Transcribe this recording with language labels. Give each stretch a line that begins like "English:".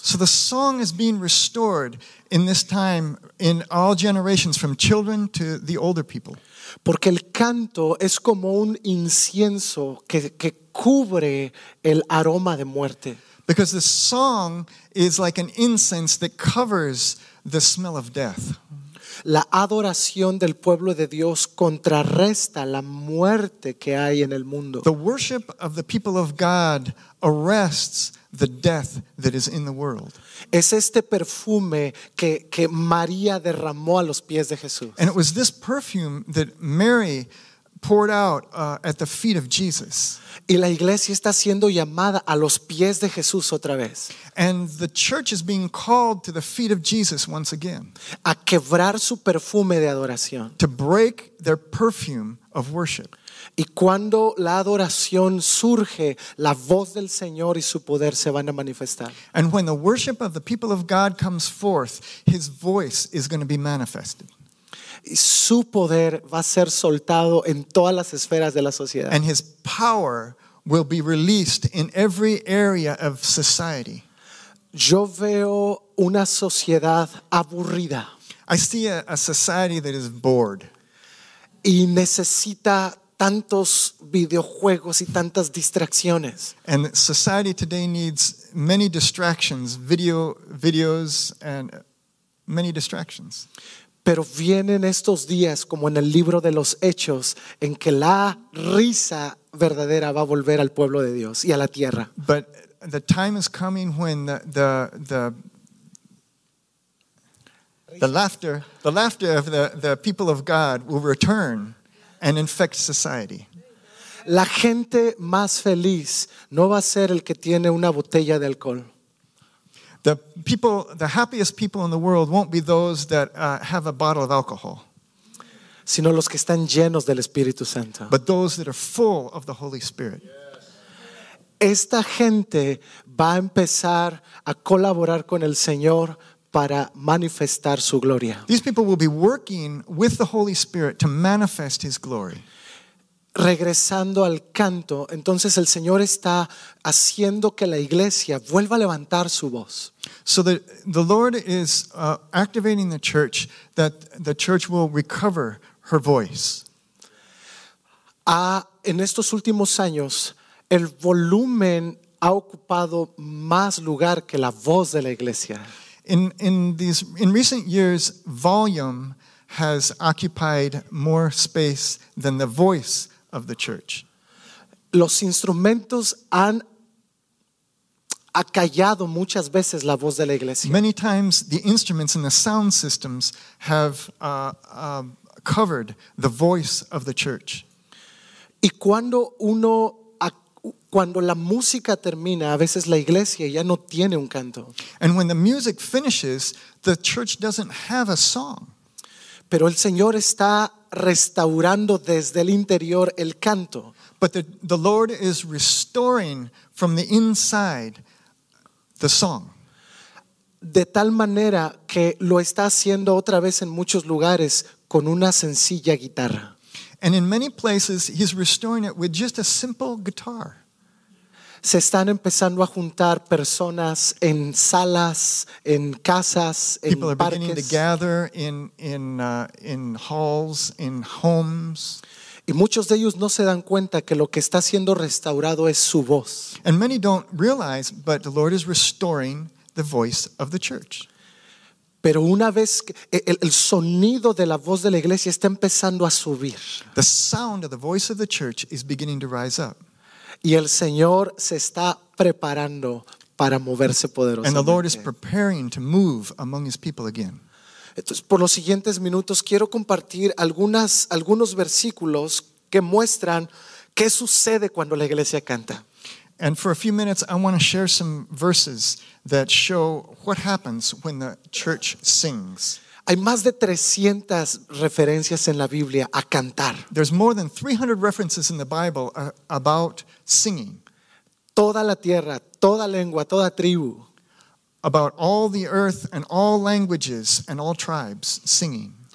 English: So the song is being restored in this time in all generations, from children to the older people.
Spanish: Porque el canto es como un incienso que cubre el aroma de muerte.
English: Because the song is like an incense that covers the smell of death.
Spanish: La adoración del pueblo de Dios contrarresta la muerte que hay en el mundo.
English: The worship of the people of God arrests the death that is in the world.
Spanish: Es este perfume que María derramó a los pies de Jesús.
English: And it was this perfume that Mary poured out at the feet of Jesus.
Spanish: Y la iglesia está siendo llamada a los pies de Jesús otra vez.
English: And the church is being called to the feet of Jesus once again.
Spanish: A quebrar su perfume de adoración.
English: To break their perfume of worship.
Spanish: Y cuando la adoración surge, la voz del Señor y su poder se van a manifestar.
English: And when the worship of the people of God comes forth, his voice is going to be manifested.
Spanish: Su poder va a ser soltado en todas las esferas de la sociedad.
English: And his power will be released in every area of society.
Spanish: Yo veo una sociedad aburrida.
English: I see a society that is bored.
Spanish: Y necesita tantos videojuegos y tantas distracciones.
English: And society today needs many distractions, videos and many distractions.
Spanish: Pero vienen estos días como en el libro de los Hechos en que la risa verdadera va a volver al pueblo de Dios y a la tierra.
English: But the time is coming when the laughter of the people of God will return and infect society.
Spanish: La gente más feliz no va a ser el que tiene una botella de alcohol.
English: The happiest people in the world won't be those that have a bottle of alcohol.
Spanish: Sino los que están llenos del Espíritu Santo.
English: But those that are full of the Holy Spirit.
Spanish: Yes. Esta gente va a empezar a colaborar con el Señor para manifestar su gloria.
English: These people will be working with the Holy Spirit to manifest his glory.
Spanish: Regresando al canto, entonces el Señor está haciendo que la iglesia vuelva a levantar su voz.
English: So the Lord is activating the church that the church will recover her voice.
Spanish: En estos últimos años, el volumen ha ocupado más lugar que la voz de la iglesia.
English: In recent years, volume has occupied more space than the voice of the church.
Spanish: Los instrumentos han acallado muchas veces la voz de la iglesia.
English: Many times the instruments and the sound systems have covered the voice of the church.
Spanish: Y cuando la música termina, a veces la iglesia ya no tiene un canto.
English: And when the music finishes, the church doesn't have a song.
Spanish: Pero el Señor está restaurando desde el interior el canto.
English: But the Lord is restoring from the inside the song.
Spanish: De tal manera que lo está haciendo otra vez en muchos lugares con una sencilla guitarra.
English: And in many places he's restoring it with just a simple guitar.
Spanish: Se están empezando a juntar personas en salas, en casas, en parques.
English: People are beginning to gather in halls, in homes.
Spanish: Y muchos de ellos no se dan cuenta que lo que está siendo restaurado es su voz.
English: And many don't realize, but the Lord is restoring the voice of the church.
Spanish: Pero una vez que el sonido de la voz de la iglesia está empezando a subir.
English: The sound of the voice of the church is beginning to rise up.
Spanish: Y el Señor se está preparando para moverse poderosamente.
English: And the Lord is preparing to move among his people again.
Spanish: Entonces, por los siguientes minutos, quiero compartir algunos versículos que muestran qué sucede cuando la iglesia canta.
English: And for a few minutes, I want to share some verses that show what happens when the church sings.
Spanish: Hay más de 300 referencias en la Biblia a cantar.
English: There's more than 300 references in the Bible about singing.
Spanish: Toda la tierra, toda lengua, toda tribu.
English: About all the earth and all languages and all tribes singing.